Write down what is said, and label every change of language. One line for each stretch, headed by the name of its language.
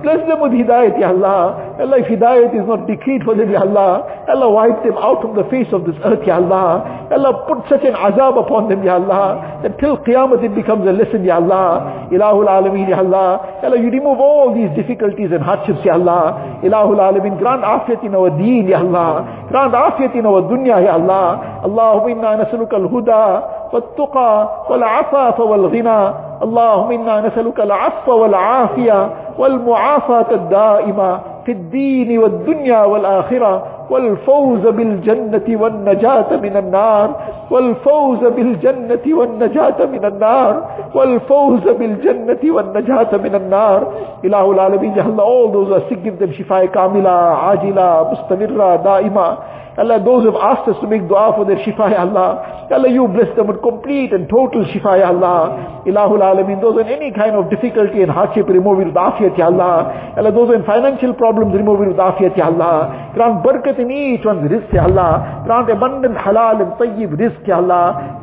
English: Bless them with hidayat, Ya Allah. Ya Allah, if hidayat is not decreed for them, Ya Allah, Ya Allah, wipe them out from the face of this earth, Ya Allah. Ya Allah, put such an azab upon them, Ya Allah, that till Qiyamah it becomes a lesson, Ya Allah. Ilahul Alameen, Ya Allah. Ya Allah, you remove all these difficulties and hardships, Ya Allah. Ilahul Alameen, grant afiyat in our deen, Ya Allah. Grant afiyat in our dunya, Ya Allah.
Arabic: Allahumma inna nas'aluka al-huda والتقى والعفاف والغنى اللهم إنا نسألك العفو والعافية والمعافاة الدائمة في الدين والدنيا والآخرة والفوز بالجنة والنجاة من النار والفوز بالجنة والنجاة من النار والفوز بالجنة والنجاة من النار إله العالمين جهل
English: all those are sick give them
Arabic: شفاء كاملة عاجلة مستمرة دائمة
English: Allah, those who have asked us to make dua for their shifa, Ya Allah. Ya Allah, you bless them with complete and total shifa, Ya Allah. Ilahul Alameen, those in any kind of difficulty and hardship, remove it with afiyat, Ya Allah. Ya Allah, those in financial problems, remove it with afiyat, Ya Allah. Grant barakat in each one's rizq, Ya Allah. Grant abundant halal and tayyib rizq, Ya Allah.